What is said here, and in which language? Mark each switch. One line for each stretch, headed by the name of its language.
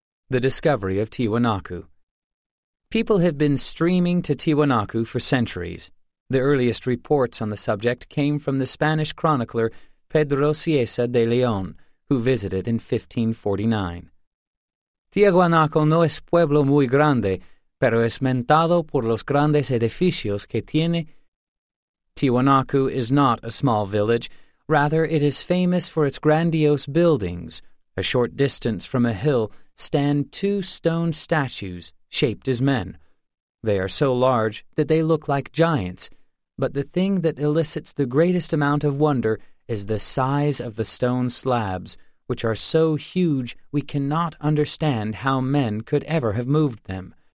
English: The discovery of Tiwanaku. People have been streaming to Tiwanaku for centuries. The earliest reports on the subject came from the Spanish chronicler Pedro Cieza de León, who visited in 1549.
Spanish: Tiwanaku no es pueblo muy grande, pero es mentado por los grandes edificios que tiene.
English: Tiwanaku is not a small village. Rather, it is famous for its grandiose buildings. A short distance from a hill stand two stone statues shaped as men. They are so large that they look like giants, but the thing that elicits the greatest amount of wonder is the size of the stone slabs, which are so huge we cannot understand how men could ever have moved them.